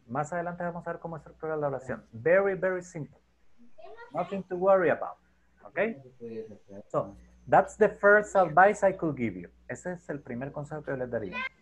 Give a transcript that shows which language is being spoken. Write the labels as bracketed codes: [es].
[es] Más adelante vamos a ver cómo estructurar la oración. [en] Very, very simple. Nothing to worry about. Okay? So, that's the first advice I could give you. [es] Ese es el primer consejo que yo les daría.